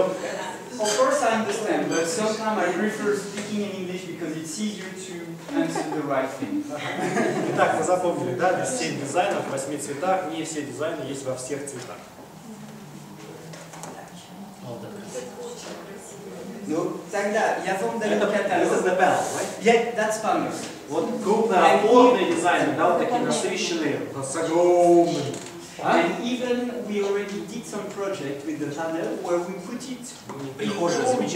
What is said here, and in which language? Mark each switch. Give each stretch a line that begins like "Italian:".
English: No, of course I understand, but sometimes I prefer speaking in English because it's easier to answer the right thing.
Russian: Итак, вы запомнили, да, 7 дизайнов, 8 цветах, не все дизайны есть во всех цветах. Ну, тогда я вам даю каталог. Это белый,
English: right? Yeah, that's famous.
Russian: Вот крупные, опорные дизайны, да, вот такие насыщенные, с огромными.
English: And even we already did some project with the tunnel where we put it